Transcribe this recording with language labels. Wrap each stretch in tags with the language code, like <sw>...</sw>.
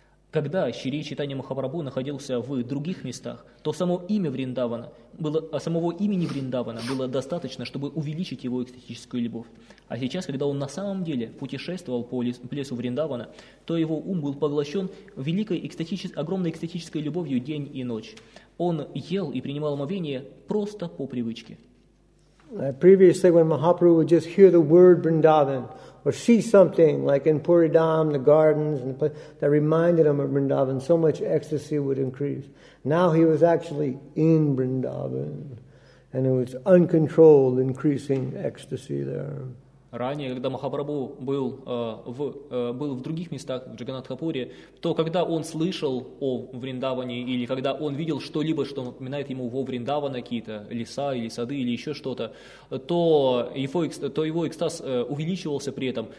<ru>Когда Шри Чайтанья Махапрабху находился в других местах, то само имя Вриндавана было, самого имени Вриндавана было достаточно, чтобы увеличить его экстатическую любовь. А сейчас, когда он на самом деле путешествовал по лесу Вриндавана, то его ум был поглощен великой огромной экстатической любовью день и ночь. Он ел и принимал омовение просто по привычке.</ru> <en>Previously, when Mahaprabhu would just hear the word Vrindavan or see something like in Puridam, the gardens and the place, that reminded him of Vrindavan, so much ecstasy would increase. Now he was actually in Vrindavan, and it was uncontrolled, increasing ecstasy there.</en> <ru>Ранее, когда Махапрабху был был в других местах, в Джаганнатхапуре, то когда он слышал о Вриндаване или когда он видел что-либо, что напоминает ему во Вриндаване какие-то леса или сады или еще что-то, то его экстаз увеличивался при этом.</ru>